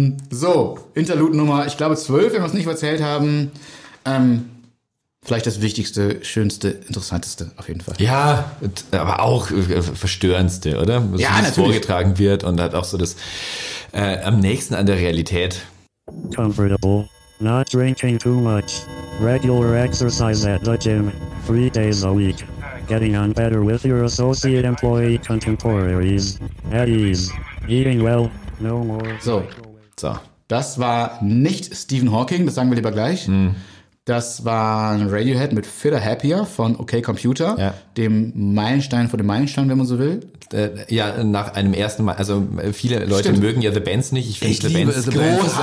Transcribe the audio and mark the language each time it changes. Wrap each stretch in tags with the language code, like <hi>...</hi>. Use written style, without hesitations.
<de>So, Interlude Nummer, ich glaube 12, wenn wir es nicht erzählt haben. Vielleicht das Wichtigste, Schönste, Interessanteste auf jeden Fall. Ja, aber auch Verstörendste, oder? Was ja, natürlich. Vorgetragen wird und hat auch so das am nächsten an der Realität.</de> <en>Comfortable, not drinking too much, regular exercise at the gym, 3 days a week, getting on better with your associate employee contemporaries, at ease, eating well, no more.</en> <de>So. Das war nicht Stephen Hawking, das sagen wir lieber gleich. Das war ein Radiohead mit Feeler Happier von OK Computer, dem Meilenstein vor dem Meilenstein, wenn man so will. Ja, nach einem ersten Mal. Also viele Leute mögen ja The Bands nicht. Ich liebe The Bands großartig.</de>